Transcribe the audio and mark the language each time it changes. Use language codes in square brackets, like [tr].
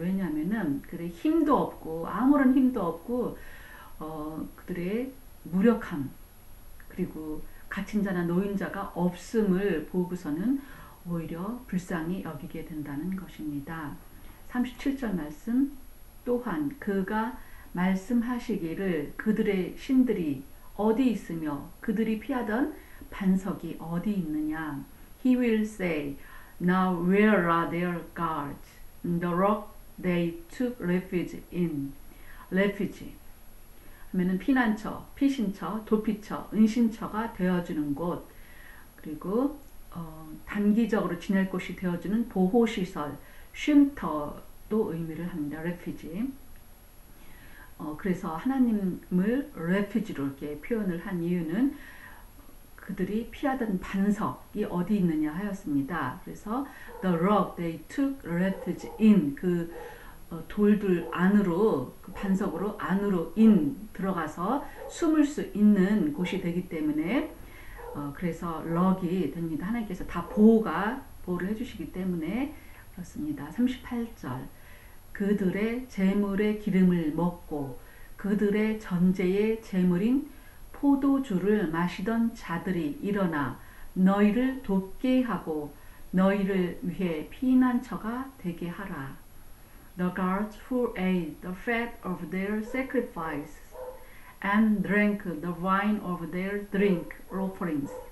[ko] 왜냐하면은 그들의 힘도 없고 아무런 힘도 없고 그들의 무력함 그리고 갇힌 자나 노인자가 없음을 보고서는 오히려 불쌍히 여기게 된다는 것입니다. 37절 말씀 또한 그가 말씀하시기를 그들의 신들이 어디 있으며 그들이 피하던 반석이 어디 있느냐. [en] He will say, Now where are their gods? The rock they took refuge in. [ko] Refuge 하면은 피난처, 피신처, 도피처, 은신처가 되어주는 곳 그리고 단기적으로 지낼 곳이 되어주는 보호시설, 쉼터도 의미를 합니다. 레피지. 그래서 하나님을 레피지로 이렇게 표현을 한 이유는 그들이 피하던 반석이 어디 있느냐 하였습니다. 그래서 [en] The rock they took refuge in. [ko] 그 돌들 안으로, 그 반석으로 안으로 in 들어가서 숨을 수 있는 곳이 되기 때문에 그래서 럭이 됩니다. 하나님께서 다 보호를 해주시기 때문에 그렇습니다. 38절 그들의 재물의 기름을 먹고 그들의 전제의 재물인 포도주를 마시던 자들이 일어나 너희를 돕게 하고 너희를 위해 피난처가 되게 하라. [en] The guards who ate the fat of their sacrifice and drank the wine of their drink offerings.